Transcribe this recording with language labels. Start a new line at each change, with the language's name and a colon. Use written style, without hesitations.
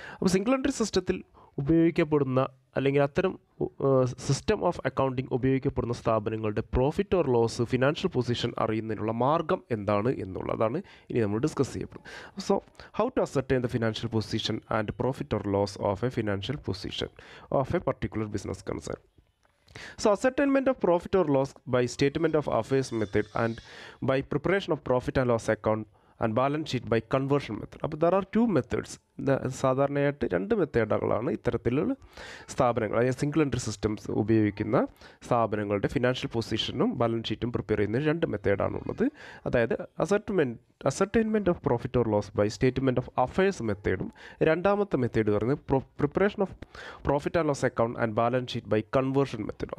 Malayalam: അപ്പോൾ single entry സിസ്റ്റത്തിൽ ഉപയോഗിക്കപ്പെടുന്ന അല്ലെങ്കിൽ അത്തരം സിസ്റ്റം ഓഫ് അക്കൗണ്ടിങ് ഉപയോഗിക്കപ്പെടുന്ന സ്ഥാപനങ്ങളുടെ profit or loss financial position അറിയുന്നതിനുള്ള മാർഗം എന്താണ് എന്നുള്ളതാണ് ഇനി നമ്മൾ ഡിസ്കസ് ചെയ്യപ്പെടുന്നത്.
English: So how to ascertain the financial position and profit or loss of a financial position of a particular business concern. So, ascertainment of profit or loss by statement of affairs method and by preparation of profit and loss account and balance sheet by conversion method. അപ്പോൾ there are two methods.
Malayalam: സാധാരണയായിട്ട് രണ്ട് മെത്തേഡുകളാണ് ഇത്തരത്തിലുള്ള സ്ഥാപനങ്ങൾ, അതായത് single entry systems ഉപയോഗിക്കുന്ന സ്ഥാപനങ്ങളുടെ financial പൊസിഷനും balance ഷീറ്റും prepare ചെയ്യുന്ന രണ്ട് മെത്തേഡാണുള്ളത്.
English: അതായത് ascertainment of profit or loss by statement of affairs മെത്തേഡും
Malayalam: രണ്ടാമത്തെ മെത്തേഡ് പറയുന്നത്
English: Preparation of profit and loss account and balance sheet by conversion മെത്തേഡും.